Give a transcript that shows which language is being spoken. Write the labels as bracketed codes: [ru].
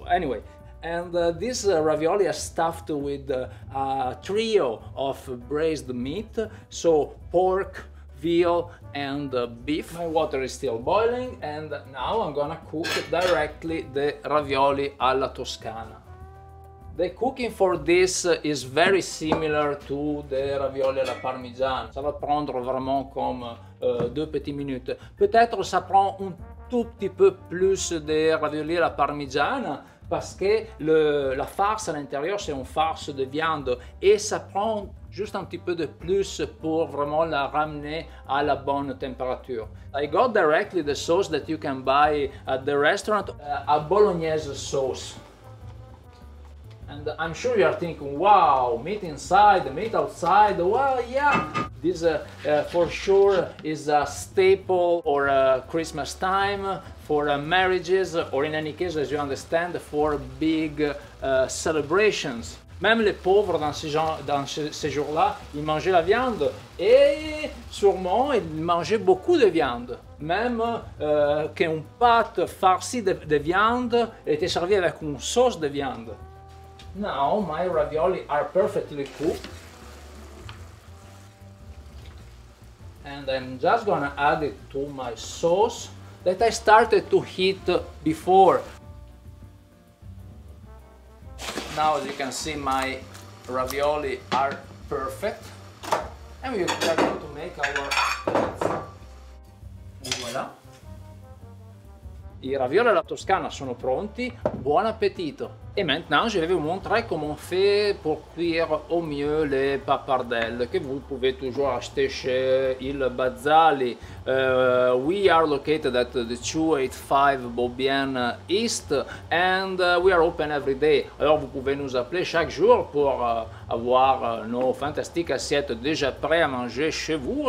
[en] Anyway, and this ravioli is stuffed with a trio of braised meat, so pork, veal and beef. My water is still boiling and now I'm gonna cook directly the ravioli alla Toscana. The cooking for this is very similar to the ravioli alla parmigiana. [fr] Ça va prendre vraiment comme deux petites minutes. Peut-être ça prend un tout petit peu plus de ravioli alla parmigiana parce que la farce à l'intérieur c'est une farce de viande et ça prend juste un petit peu de plus pour vraiment la ramener à la bonne température. [en] I got directly the sauce that you can buy at the restaurant, a bolognese sauce. And I'm sure you are thinking, wow, meat inside, meat outside, well, yeah. This for sure is a staple for Christmas time, for marriages, or in any case, as you understand, for big celebrations. [fr] Même les pauvres dans ces jours-là, ils mangeaient la viande et sûrement ils mangeaient beaucoup de viande. Même qu'une pâte farcie de viande était servie avec une sauce de viande. [en] Now my ravioli are perfectly cooked and I'm just gonna add it to my sauce that I started to heat before. Now as you can see my ravioli are perfect and we are going to make our pizza. [fr] Voilà! [it] I ravioli alla Toscana sono pronti, buon appetito! [fr] Et maintenant, je vais vous montrer comment on fait pour cuire au mieux les pappardelles que vous pouvez toujours acheter chez Il Bazzali. [en] We are located at the 285 Bobien East and we are open every day. [fr] Alors, vous pouvez nous appeler chaque jour pour avoir nos fantastiques assiettes déjà prêtes à manger chez vous.